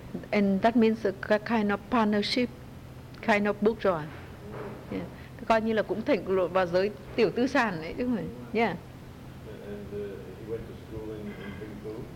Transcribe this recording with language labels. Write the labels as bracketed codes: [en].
[en] And that means a kind of partnership, kind of book draw. Yeah. [vi] Coi như là cũng thành lộn vào giới tiểu tư sản đấy chứ không phải. [en] Yeah. And he went to school in Vĩnh Phú.